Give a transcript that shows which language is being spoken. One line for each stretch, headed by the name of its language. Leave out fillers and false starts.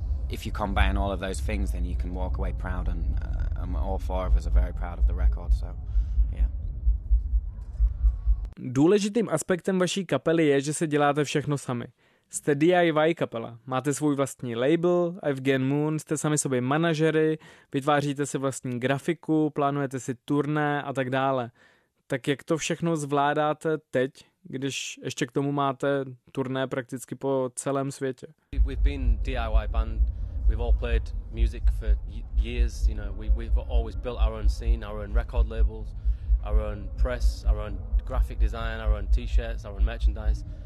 English: If you combine all of those things, then you can walk away proud, and all four of us are very proud of the record, so, yeah.
Czech: Důležitým aspektem vaší kapely je, že se děláte všechno sami. Jste DIY kapela, máte svůj vlastní label, Evgen Moon, jste sami sobě manažery, vytváříte si vlastní grafiku, plánujete si turné a tak dále. Tak jak to všechno zvládáte teď, když ještě k tomu máte turné prakticky po celém světě?
English: We've been DIY band. We've all played music for years, you know. We've always built our own scene, our own record labels, our own press, our own graphic design, our own t-shirts, our own merchandise.